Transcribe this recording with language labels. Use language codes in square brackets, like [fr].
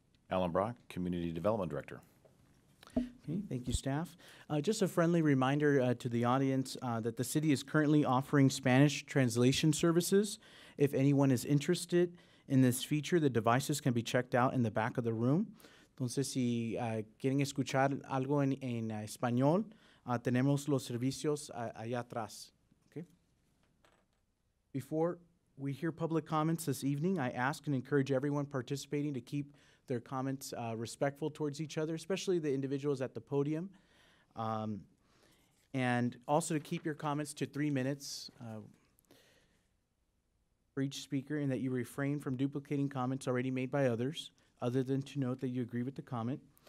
[en] Alan Brock, Community Development Director. Okay, thank you, staff. Just a friendly reminder to the audience that the city is currently offering Spanish translation services. If anyone is interested in this feature, the devices can be checked out in the back of the room. [es] Entonces, si quieren escuchar algo en español, tenemos los servicios allá atrás. [en] Okay. Before we hear public comments this evening, I ask and encourage everyone participating to keep their comments respectful towards each other, especially the individuals at the podium. And also to keep your comments to 3 minutes for each speaker, and that you refrain from duplicating comments already made by others, other than to note that you agree with the comment.